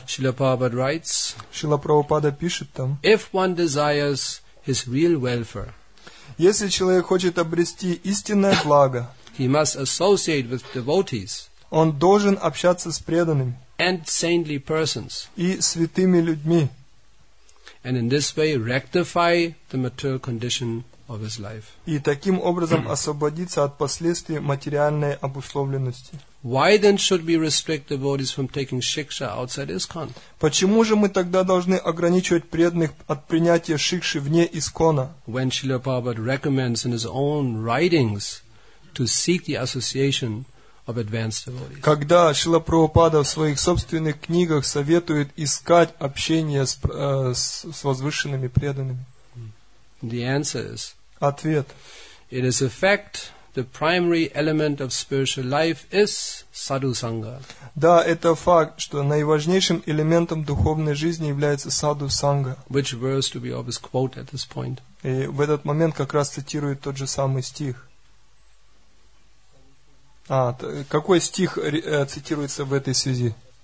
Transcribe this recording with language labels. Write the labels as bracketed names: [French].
[English] Шрила Прабхупада writes. [Russian] Шрила Прабхупада пишет там. [English] If one desires his real welfare. [Russian] Если человек хочет обрести истинное благо. [English] He must associate with devotees. [Russian] Он должен общаться с преданными. [English] And saintly persons. [Russian] И святыми людьми. [English] And in this way rectify the material condition of his life. [Russian] И таким образом освободиться от последствий материальной обусловленности. [English] Why then should we restrict devotees from taking shiksha outside ISKCON? [Russian] Почему же мы тогда должны ограничивать преданных от принятия шикши вне ИСКОНа? [English] When Srila Prabhupada recommends in his own writings to seek the association of advanced devotees. [Russian] Когда Шрила Прабхупада в своих собственных книгах советует искать общение с возвышенными преданными. [English] The answer is. [Russian] Ответ. [English] It is a fact the primary element of spiritual life is sadhu sangha. [Russian] Да, это факт, что наиважнейшим элементом духовной жизни является саду санга. [English] Which verse do we always quote at this point? [Russian] И в этот момент как раз цитирует тот же самый стих. А, какой стих цитируется в этой связи?